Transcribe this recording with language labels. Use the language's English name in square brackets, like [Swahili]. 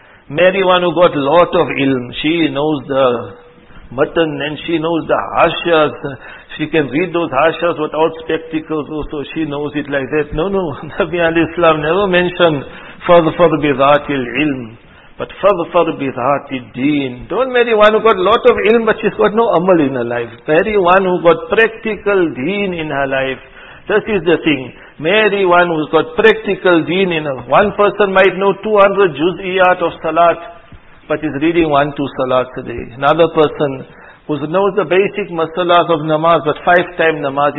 [English] Marry one who got lot of ilm. She knows the matan and she knows the hashas. She can read those hashas without spectacles also. She knows it like that. No, no. Nabi al-Islam never mentioned [Arabic] فَظْفَرْ بِذَاتِ الْعِلْمِ. But فَظْفَرْ بِذَاتِ الدِّينِ. [English] Don't marry one who got lot of ilm but she's got no amal in her life. Marry one who got practical deen in her life. This is the thing. Marry one who's got practical deen in her. One person might know 200 juz'iyat of salat. but is reading one, two salats a day. Another person who knows the basic masalas of namaz, but five time namaz.